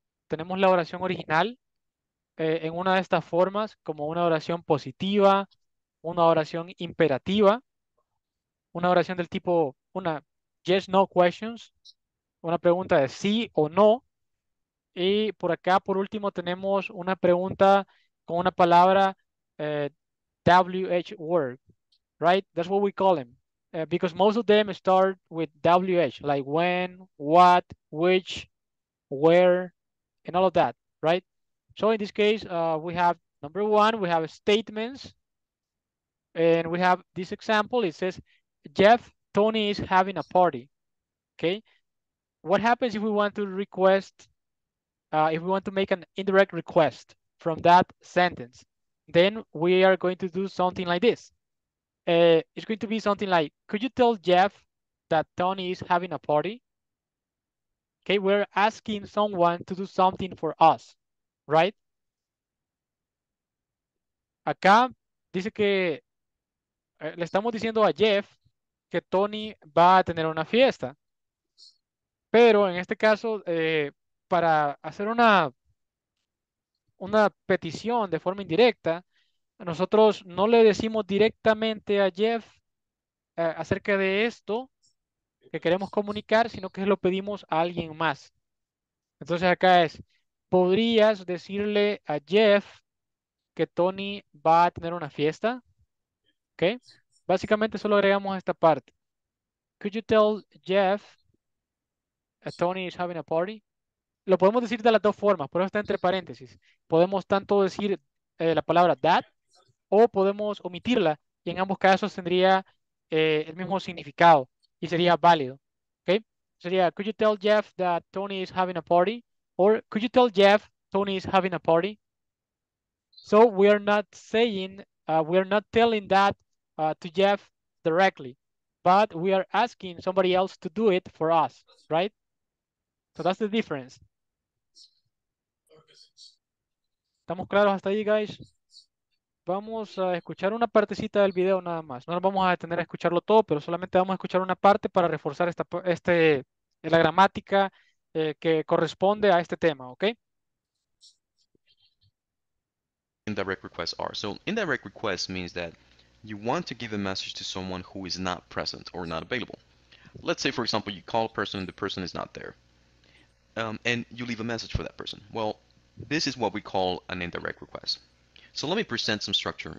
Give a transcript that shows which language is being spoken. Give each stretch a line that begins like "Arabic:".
Spanish: Tenemos la oración original en una de estas formas, como una oración positiva, una oración imperativa, una oración del tipo, una yes, no questions, una pregunta de sí o no. Y por acá, por último, tenemos una pregunta con una palabra WH word, right?
English: That's what we call them. Because most of them start with WH, like when, what, which, where, and all of that, right? So in this case, we have number one, we have statements, and we have this example. It says, Jeff, Tony is having a party, okay? What happens if we want to request, if we want to make an indirect request from that sentence? Then we are going to do something like this. It's going to be something like, could you tell Jeff that Tony is having a party? Okay, we're asking someone to do something for us, right?
Spanish: Acá dice que le estamos diciendo a Jeff que Tony va a tener una fiesta. Pero en este caso, para hacer una petición de forma indirecta, nosotros no le decimos directamente a Jeff acerca de esto que queremos comunicar, sino que lo pedimos a alguien más. Entonces acá es, ¿podrías decirle a Jeff que Tony va a tener una fiesta? ¿Okay? Básicamente solo agregamos esta parte.
English: Could you tell Jeff that Tony is having a party?
Spanish: Lo podemos decir de las dos formas, pero está entre paréntesis. Podemos tanto decir la palabra that o podemos omitirla y en ambos casos tendría el mismo significado y sería válido. Okay? Sería,
English: could you tell Jeff that Tony is having a party? Or could you tell Jeff Tony is having a party? So we are not saying, we are not telling that to Jeff directly, but we are asking somebody else to do it for us, right? So that's the difference.
Spanish: ¿Estamos claros hasta ahí, guys? Vamos a escuchar una partecita del video nada más. No nos vamos a detener a escucharlo todo, pero solamente vamos a escuchar una parte para reforzar la gramática que corresponde a este tema, ¿ok?
English: Indirect requests are. So indirect request means that you want to give a message to someone who is not present or not available. Let's say, for example, you call a person and the person is not there. And you leave a message for that person. Well, this is what we call an indirect request. So let me present some structure.